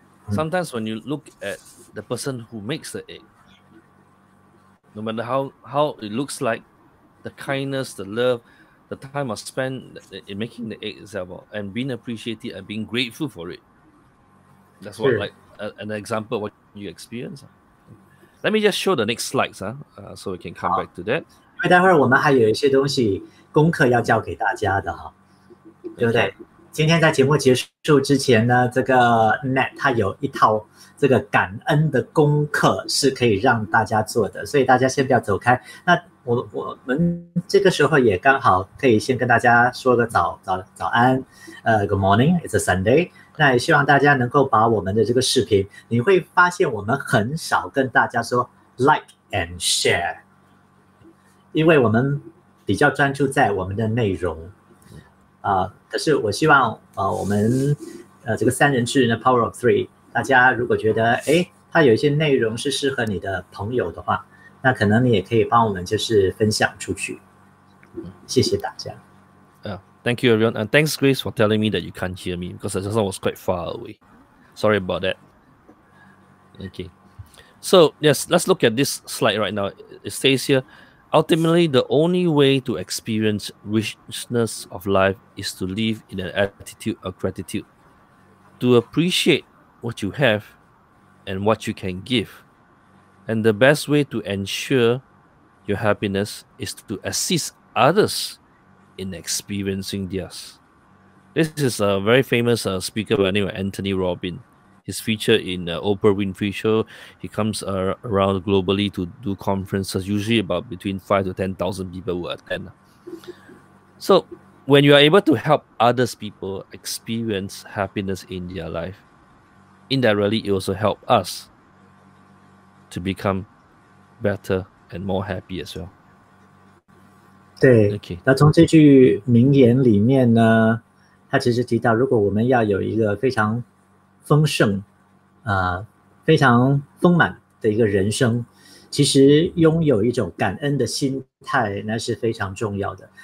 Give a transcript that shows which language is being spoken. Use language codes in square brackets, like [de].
[en] Sometimes when you look at the person who makes the egg, no matter how it looks like, the kindness, the love, the time I spend in making the egg itself and being appreciated and being grateful for it. That's what, like, an example of what you experience. Let me just show the next slides, so we can come back to that. [zh] 因为待会儿我们还有一些东西功课要教给大家的，对不对？今天在节目结束之前呢，这个 Nat 他有一套这个感恩的功课是可以让大家做的，所以大家先不要走开。那我们这个时候也刚好可以先跟大家说个早安， [en] Good morning, it's a Sunday。 [zh] 那也希望大家能够把我们的这个视频，你会发现我们很少跟大家说 [en] like and share， [zh] 因为我们比较专注在我们的内容啊。可是我希望我们这个三人制的 Power of Three， 大家如果觉得哎，它有一些内容是适合你的朋友的话，那可能你也可以帮我们就是分享出去，谢谢大家。 [en] Thank you, everyone, and thanks, Grace, for telling me that you can't hear me because I just thought I was quite far away. Sorry about that. Okay, so yes, let's look at this slide right now. It says here, ultimately, the only way to experience richness of life is to live in an attitude of gratitude, to appreciate what you have and what you can give. And the best way to ensure your happiness is to assist others in experiencing theirs. This is a very famous speaker by the name of Anthony Robbins. He's featured in the Oprah Winfrey Show. He comes around globally to do conferences, usually about between 5,000 to 10,000 people will attend. So when you are able to help other people experience happiness in their life, indirectly, it also helps us to become better and more happy as well. [zh] 对，那从这句名言里面呢，他其实提到，如果我们要有一个非常丰盛、非常丰满的一个人生，其实拥有一种感恩的心态，那是非常重要的。